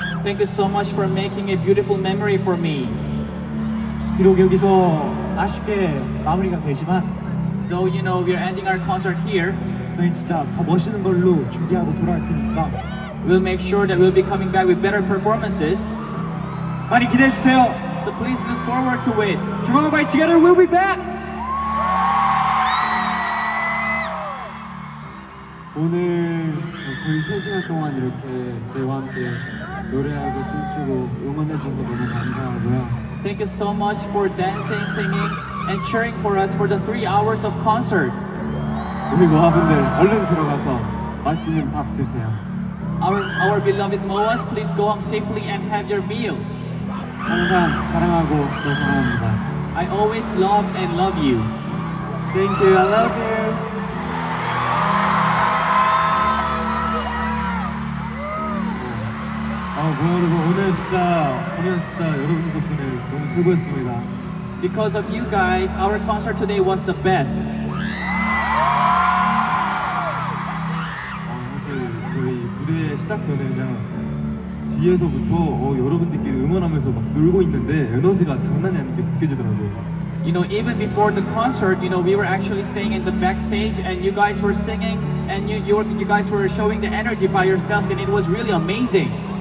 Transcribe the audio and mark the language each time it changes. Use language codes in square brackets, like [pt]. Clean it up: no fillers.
[en] Thank you so much for making a beautiful memory for me. [ko] 비록 여기서 아쉽게 마무리가 되지만, [en] though you know we're ending our concert here, [ko] 저희 진짜 더 멋있는 걸로 준비하고 돌아올 테니까, [en] we'll make sure that we'll be coming back with better performances. [ko] 많이 기대해 주세요. [en] So please look forward to it. Tomorrow by together we'll be back. [ko] 오늘 거의 3시간 동안 이렇게 저희와 함께 노래하고 춤추고 응원해 주신 거 너무 감사하고요. [en] Thank you so much for dancing, singing and cheering for us for the 3 hours of concert. [ko] 우리 모아분들 얼른 들어가서 맛있는 밥 드세요. [en] Our beloved Moas, please go home safely and have your meal. [ko] 항상 사랑하고 또 사랑합니다. [en] I always love and love you. Thank you, I love you. [ko] 여러분 오늘 진짜 여러분 덕분에 너무 최고였습니다. [en] Because of you guys, our concert today was the best. [ko] 사실 저희 무대 시작되면 뒤에서부터 여러분들끼리 응원하면서 막 놀고 있는데 에너지가 장난이 아닌 게 느껴지더라고요. [en] You know, even before the concert, you know, we were actually staying in the backstage and you guys were singing and you guys were showing the energy by yourselves and it was really amazing.